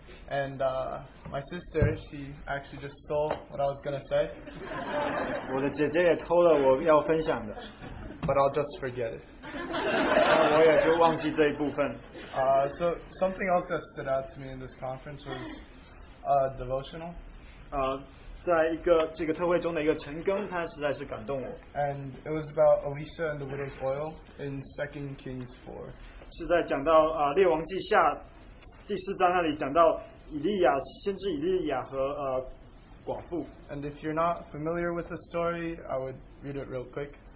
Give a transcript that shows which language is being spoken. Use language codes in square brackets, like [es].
[en] And my sister, she actually just stole what I was going to say. [zh] 我的姐姐也偷了我要分享的. [en] But I'll just forget it. [zh] 我也就忘记这一部分. [en] So something else that stood out to me in this conference was devotional. [zh] 在这个特会中的一个晨更，它实在是感动我. [en] And it was about Elisha and the widow's oil in 2 Kings 4. [zh] 是在讲到, 列王记下第四章那里讲到以利亚先知以利亚和 寡妇. [en] And if you're not familiar with the story, I would read it real quick.